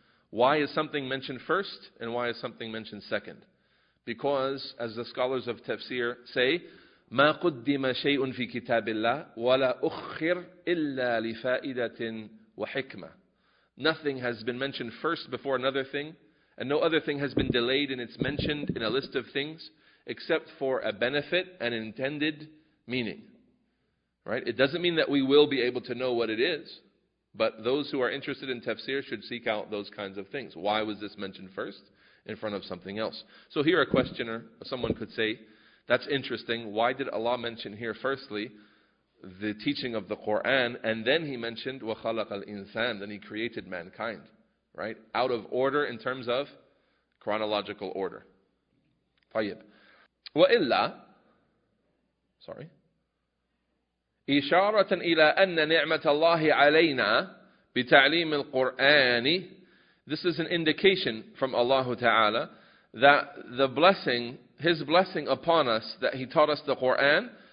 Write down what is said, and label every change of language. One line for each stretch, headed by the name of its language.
English: Why is something mentioned first and why is something mentioned second? Because, as the scholars of tafsir say,
Arabic: مَا قُدِّمَ شَيْءٌ فِي كِتَابِ اللَّهِ وَلَا أُخِّرْ إِلَّا لِفَائِدَةٍ وَحِكْمَةٍ.
English: Nothing has been mentioned first before another thing, and no other thing has been delayed and it's mentioned in a list of things except for a benefit and intended meaning. Right? It doesn't mean that we will be able to know what it is, but those who are interested in tafsir should seek out those kinds of things. Why was this mentioned first in front of something else? So here a questioner, someone could say, that's interesting. Why did Allah mention here firstly the teaching of the Qur'an, and then He mentioned
Arabic: وَخَلَقَ الْإِنسَانِ,
English: then He created mankind. Right? Out of order in terms of chronological order.
Arabic: طيب. وَإِلَّا. Sorry. إشارة إلى أن نعمة الله علينا بتعليم القرآن.
English: This is an indication from Allah Ta'ala that the blessing, His blessing upon us that He taught us the Qur'an,